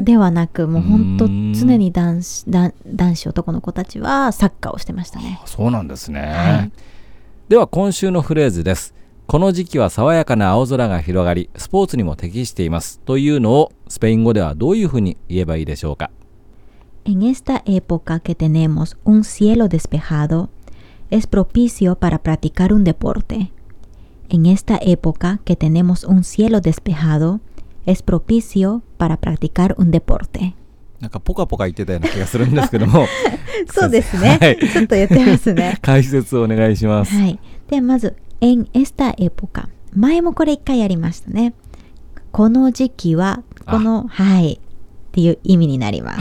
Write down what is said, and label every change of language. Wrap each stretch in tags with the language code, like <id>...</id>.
<ja>ではなく、もう本当常に男子男の子たちはサッカーをしてましたね。そうなんですね、はい、では今週のフレーズです。この時期は爽やかな青空が広がりスポーツにも適していますというのをスペイン語ではどういうふうに言えばいいでしょうか。</ja> <es>En esta época que tenemos un cielo despejado es propicio para practicar un deporte. En esta época que tenemos un cielo despejadoes propicio para practicar un deporte.</es> <ja>なんかポカポカ言ってたような気がするんですけども。そうですね、はい、ちょっと言ってますね。解説をお願いします。はい。でまず</ja> <es>en esta época、</es> <ja>前もこれ一回やりましたね。この時期はこの、はいっていう意味になります。</ja>